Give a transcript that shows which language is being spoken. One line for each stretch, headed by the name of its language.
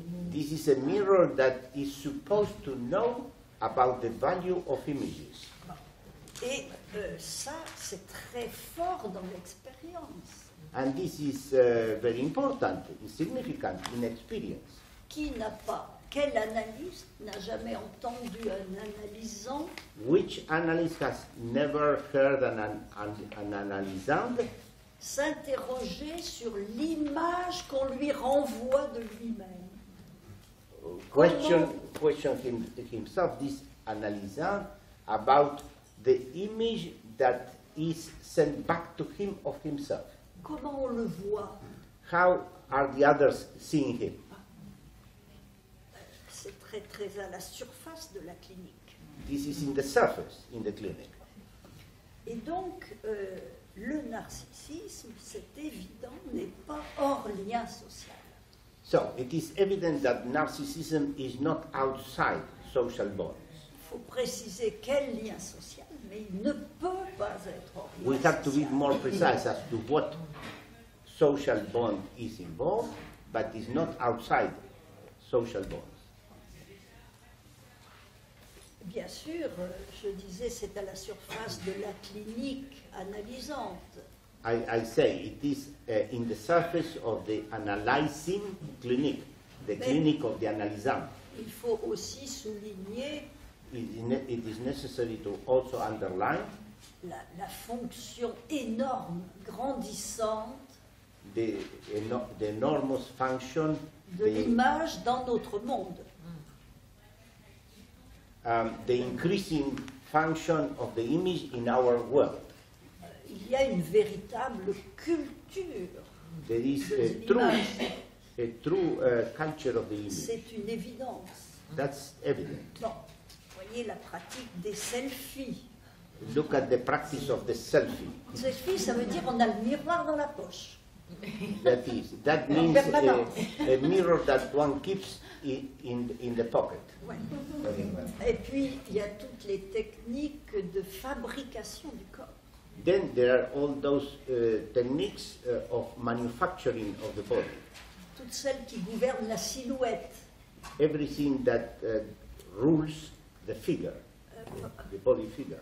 English: This is a mirror that is supposed to know about the value of images.
French: Et ça, c'est très fort dans l'expérience.
English: And this is very important, significant in experience.
French: Qui n'a pas, quel analyste n'a jamais entendu un analysant?
English: Which analyst has never heard an analysant?
French: S'interroger sur l'image qu'on lui renvoie de lui-même.
English: Question himself, this analysant, about the image that is sent back to him of himself.
French: Comment on le voit?
English: How are the others seeing him?
French: C'est très très à la surface de la clinique.
English: This is in the surface, in the clinic.
French: Et donc, le narcissisme, c'est évident, n'est pas hors lien social.
English: So, it is evident that narcissism is not outside social bonds.
French: Il faut préciser quel lien social, mais il ne peut pas être hors lien social.
English: We have to be more precise as to what social bond is involved, but is not outside social bonds.
French: Bien sûr, je disais, c'est à la surface de la clinique analysante.
English: I say it is in the surface of the analyzing clinic, the clinic of the analysant.
French: Il faut aussi souligner.
English: It is necessary to also underline.
French: La fonction énorme, grandissante.
English: The enormous function.
French: De l'image dans notre monde.
English: The increasing function of the image in our world.
French: Il y a une véritable culture.
English: There is a true, culture of the image.
French: C'est une évidence.
English: That's evident.
French: Non. Voyez la pratique des selfies.
English: Look at the practice of the selfie.
French: Selfie, ça veut dire on a le miroir dans la poche.
English: That is, that means a mirror that one keeps in the pocket.
French: Ouais. Et puis, il y a toutes les techniques de fabrication du corps.
English: Then there are all those techniques of manufacturing of the body.
French: Toutes celles qui gouvernent la silhouette.
English: Everything that rules the figure, the body figure.